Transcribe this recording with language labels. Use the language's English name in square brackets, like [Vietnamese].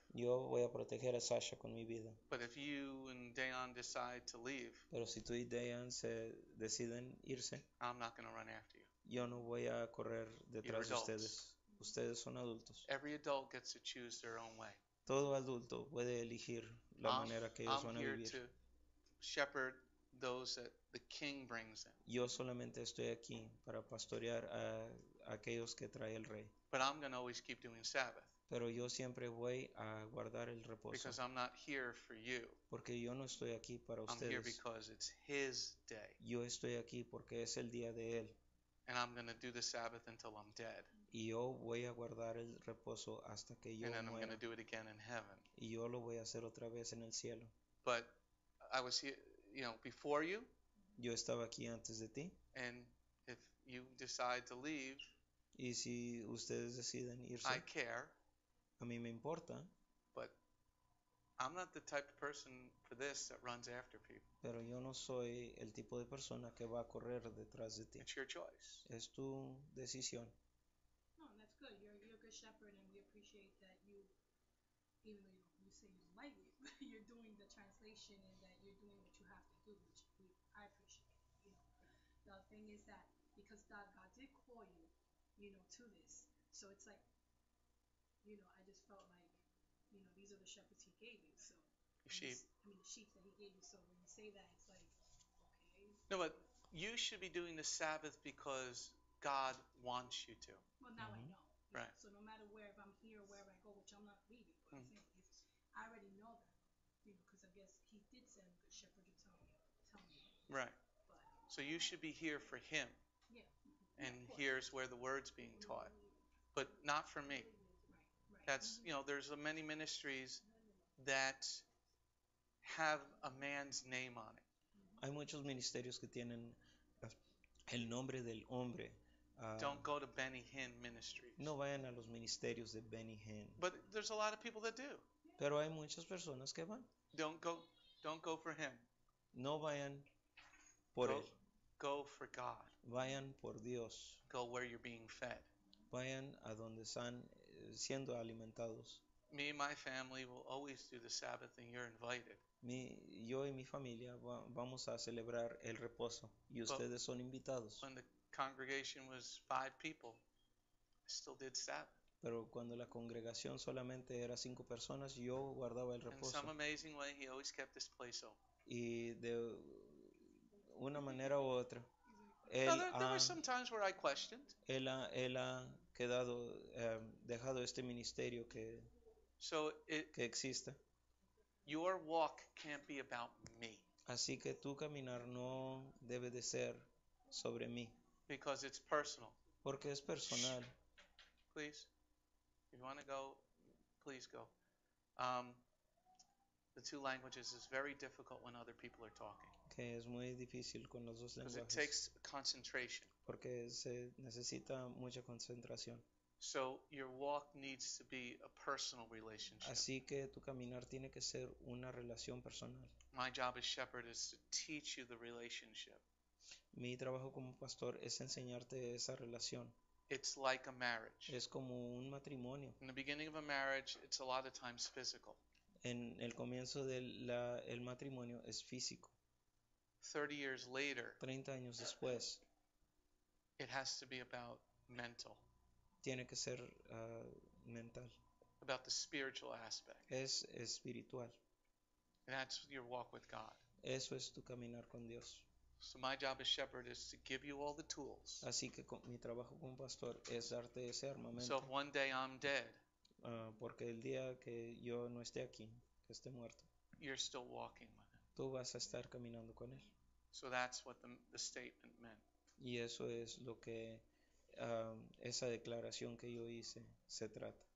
[Spanish] Yo voy a proteger a Sasha con mi vida. [English] But if you and Dayan decide to leave, [Spanish] pero si tú y Dayan se deciden irse, [English] I'm not going to run after you. [Spanish] Yo no voy a correr detrás de ustedes. Ustedes son adultos. [English] Every adult gets to choose their own way. [Spanish] Todo adulto puede elegir la manera que ellos van a vivir. [English] I'm here to shepherd those that the king brings in. [Spanish] Yo solamente estoy aquí para pastorear a aquellos que trae el rey. [English] But I'm going to always keep doing Sabbath. [Spanish] Pero yo siempre voy a guardar el reposo. [English] Because I'm not here for you. [Spanish] Porque yo no estoy aquí para ustedes. [English] I'm here because it's his day. [Spanish] Yo estoy aquí porque es el día de él. [English] And I'm going to do the Sabbath until I'm dead. [Spanish] Y yo voy a guardar el reposo hasta que yo muera. [English] And then I'm going to do it again in heaven. [Spanish] Y yo lo voy a hacer otra vez en el cielo. [English] But I was here, you know, before you. [Spanish] Yo estaba aquí antes de ti. [English] And if you decide to leave, [Spanish] y si ustedes deciden irse, [English] I care. [Spanish] A mí me importa. [English] But I'm not the type of person for this that runs after people. [Spanish] Pero yo no soy el tipo de persona que va a correr detrás de ti. [English] It's your choice. [Spanish] Es tu decisión. [English] No, that's good. You're a good shepherd, and we appreciate that you, even though you say you don't like it, but you're doing the translation and that you're doing what you have to do, which I appreciate. You know, the thing is that because God did call you, you know, to this, so it's like, you know, I just felt like, you know, these are the shepherds he gave you, so. Sheep. I mean, the sheep that he gave you, so when you say that, it's like, okay. No, but you should be doing the Sabbath because God wants you to. Well, now mm-hmm. I know. Right. So no matter where, if I'm here or wherever I go, which I'm not leaving, but mm-hmm. I'm saying, I already know that, you know, because I guess he did send a good shepherd to tell me. Right. But, so you should be here for him. And here's where the word's being taught. But not for me. That's, you know, there's many ministries that have a man's name on it. [Spanish] Hay muchos ministerios que tienen el nombre del hombre. [English] Don't go to Benny Hinn ministries. [Spanish] No vayan a los ministerios de Benny Hinn. [English] But there's a lot of people that do. [Spanish] Pero hay muchas personas que van. [English] Don't go for him. [Spanish] No vayan por él. [English] Go for God. [Spanish] Vayan por Dios. [English] Go where you're being fed. [Spanish] Vayan a donde están siendo alimentados. [English] Me and my family will always do the Sabbath and you're invited. [Spanish] Yo y mi familia vamos a celebrar el reposo y ustedes son invitados. [English] When the congregation was 5 people, I still did Sabbath. [Spanish] Pero cuando la congregación solamente era 5 personas, yo guardaba el reposo. [English] In some amazing way, he always kept this place open. [Spanish] Y de una manera u otra. [English] There were some times where I questioned. [Spanish] Él ha quedado, dejado este ministerio que, [English] so it, [Spanish] que exista. [English] Your walk can't be about me. [Spanish] Así que tu caminar no debe de ser sobre mí. [English] Because it's personal. [Spanish] Porque es personal. [English] Please, if you want to go, please go. The two languages is very difficult when other people are talking. [Spanish] Que es muy difícil con los dos lenguajes. [English] Because it takes concentration. [Spanish] Porque se necesita mucha concentración. [English] So your walk needs to be a personal relationship. [Spanish] Así que tu caminar tiene que ser una relación personal. [English] My job as shepherd is to teach you the relationship. [Spanish] Mi trabajo como pastor es enseñarte esa relación. [English] It's like a marriage. [Spanish] Es como un matrimonio. [English] In the beginning of a marriage, it's a lot of times physical. [Spanish] En el comienzo del el matrimonio es físico. [English] 30 years later, [Spanish] 30 años después, [English] it has to be about mental. [Spanish] Tiene que ser mental. [English] About the spiritual aspect. [Spanish] Es espiritual. [English] And that's your walk with God. [Spanish] Eso es tu caminar con Dios. [English] So my job as shepherd is to give you all the tools. [Spanish] Así que mi trabajo como pastor es darte ese armamento. [English] So if one day I'm dead, [Spanish] porque el día que yo no esté aquí, que esté muerto, [English] you're still walking with him. [Spanish] Tú vas a estar caminando con él. [English] So that's what the statement meant. [Spanish] Y eso es lo que esa declaración que yo hice se trata.